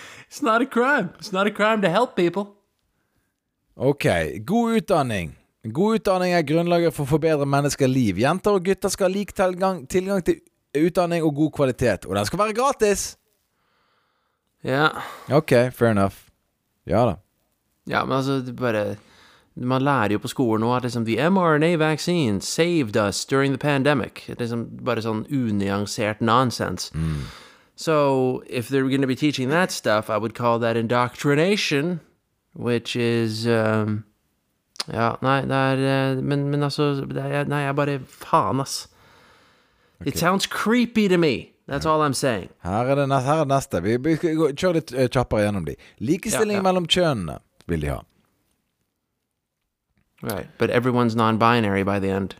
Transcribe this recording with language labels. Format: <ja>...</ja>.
<en>It's not a crime. It's not a crime to help people.</en> <no>Ok, god utdanning. God utdanning er grunnlaget for å forbedre menneskers liv. Jenter og gutter skal ha lik tilgang til utdanning og god kvalitet. Og den skal være gratis. Ja. Ok,</no> <en>fair enough.</en> <no>Ja da. Ja, men altså, bare, man lærer jo på skolen at liksom,</no> <en>the mRNA vaccine saved us during the pandemic.</en> <no>Det er bare sånn unyansert nonsense. Mm.</no> <en>So, if they're going to be teaching that stuff, I would call that indoctrination, which is,</en> <no>ja, nei, det er, men altså, det er, nei, jeg bare, faen, ass.</no> <en>Okay. It sounds creepy to me. That's all I'm saying.</en> <no>Her er det neste, her er det neste. Vi skal kjøre litt kjappere gjennom de. Likestilling mellom kjønnene vil de ha.</no> <en>Right, but everyone's non-binary by the end.</en>